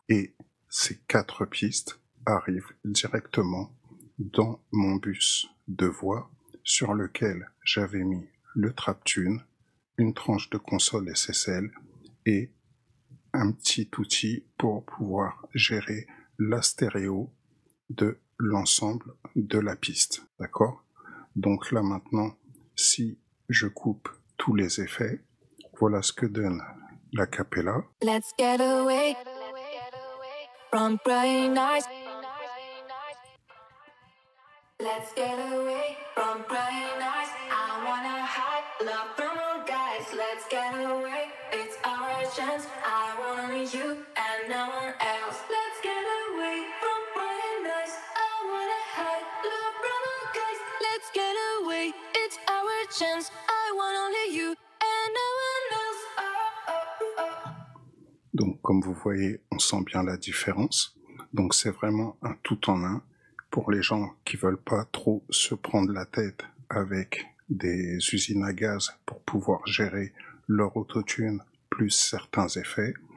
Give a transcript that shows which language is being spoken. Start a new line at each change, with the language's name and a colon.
French: Et ces quatre pistes arrivent directement dans mon bus de voix sur lequel j'avais mis le TrapTune, une tranche de console SSL et un petit outil pour pouvoir gérer la stéréo de l'ensemble de la piste, d'accord? Donc là maintenant, si je coupe tous les effets, voilà ce que donne l'a cappella.
English: Let's get away from bright eyes. Let's get away from bright eyes. I wanna hide love from all guys. Let's get away, it's our chance. I want you and no one else. Let's get away from bright eyes. I wanna hide love from all guys. Let's get away, it's our chance. I want only you and no one else. Oh, oh, oh.
French: Donc comme vous voyez, on sent bien la différence. Donc c'est vraiment un tout en un. Pour les gens qui veulent pas trop se prendre la tête avec des usines à gaz pour pouvoir gérer leur autotune plus certains effets.